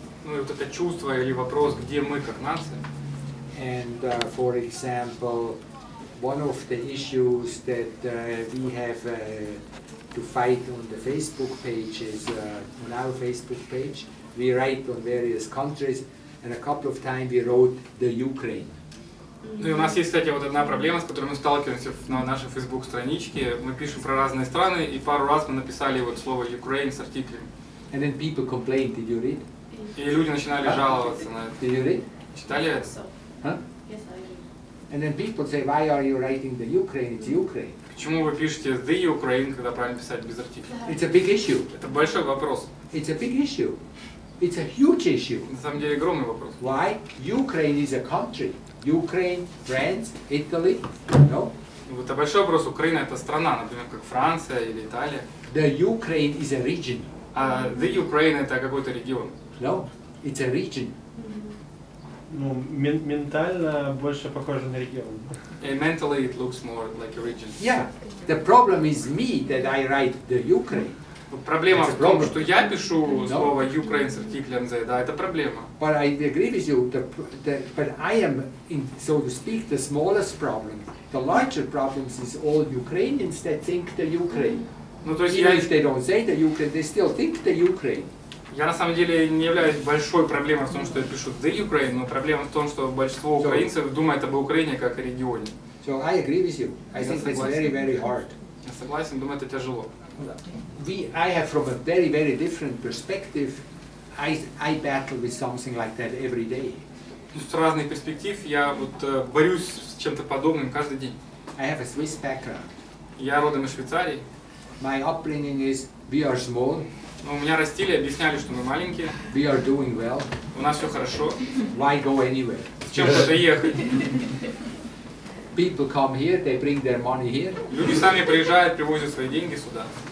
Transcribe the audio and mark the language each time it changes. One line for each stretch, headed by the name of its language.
Russian: Ну, вот это чувство или вопрос, где мы как нация?
English: And for example, one of the issues that we have to fight on the Facebook page is on our Facebook page we write on various countries and a couple of times we wrote the Ukraine.
Russian: Ну, у нас есть, кстати, вот одна проблема, с которой мы сталкиваемся на нашей Facebook страничке. Мы пишем про разные страны и пару раз мы написали вот слово Ukraine с артиклем.
English: And then people complained, did you read?
Russian: И люди начинали жаловаться на это.
English: Did you read?
Russian: Читали?
English: Yes, I read. And then people say, why are you writing the Ukraine? It's Ukraine.
Russian: Почему вы пишете
English: the Ukraine,
Russian: когда правильно писать без артикля?
English: It's a big issue.
Russian: Это большой вопрос.
English: It's a big issue. It's a huge issue.
Russian: На самом деле огромный вопрос.
English: Why? Ukraine is a country. Ukraine, France, Italy, no?
Russian: Вот это большой вопрос. Украина это страна, например, как Франция или Италия.
English: The Ukraine is a region.
Russian: А
English: the Ukraine
Russian: это какой-то регион?
English: No, it's a region.
Russian: Ну, ментально больше похоже на регион.
English: And mentally it looks more like a region. Yeah, the problem is me that I write the Ukraine.
Russian: Проблема в том, что я пишу слово Ukraine с артиклем Z, да, это проблема.
English: But I agree with you, but I am, in, so to speak, the smallest problem. The larger problem is all Ukrainians that think the Ukraine.
Russian: Ну, то есть
English: even if they don't say the Ukraine, they still think the Ukraine.
Russian: Я на самом деле не являюсь большой проблемой в том, что я пишу
English: the Ukraine,
Russian: но проблема в том, что большинство украинцев думает об Украине как о регионе.
English: So I agree with you. I think it's very, very hard.
Russian: Я согласен, думаю, это тяжело.
English: I have from a very, very different perspective. I battle with something like that every day.
Russian: С разных перспектив я вот борюсь с чем-то подобным каждый день.
English: I have a Swiss background.
Russian: Я родом из Швейцарии.
English: My upbringing is we are small.
Russian: Ну, у меня растили, объясняли, что мы маленькие.
English: We are doing well.
Russian: У нас все хорошо.
English: Why go anywhere?
Russian: С чем куда ехать?
English: People come here, they bring their money here.
Russian: Люди сами приезжают, привозят свои деньги сюда.